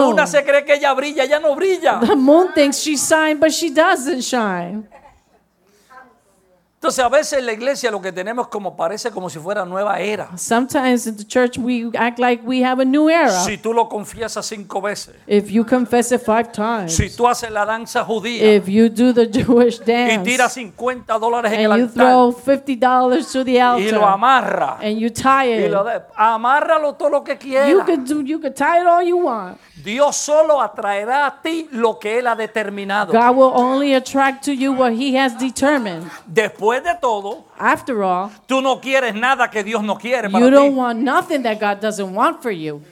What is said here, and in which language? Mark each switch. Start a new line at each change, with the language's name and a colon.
Spanish: La luna se cree que ella brilla, ella no brilla.
English: The moon thinks she shines, but she doesn't shine.
Spanish: Entonces a veces en la iglesia lo que tenemos como parece como si fuera nueva era.
English: Sometimes in the church we act like we have a new era.
Spanish: Si tú lo confiesas 5 veces.
English: If you confess it 5 times.
Spanish: Si tú haces la danza judía.
English: If you do the Jewish dance.
Spanish: Y tiras $50 en el altar.
English: And you throw $50 to the altar.
Spanish: Y lo amarra.
English: And you tie it.
Spanish: Y amárralo todo lo que quieras.
English: You can tie it all you want.
Spanish: Dios solo atraerá a ti lo que él ha determinado.
English: God will only attract to you what he has determined.
Spanish: Después de todo,
English: after all,
Spanish: tú no quieres nada que Dios no quiere para ti.
English: You don't want nothing that God doesn't want for you.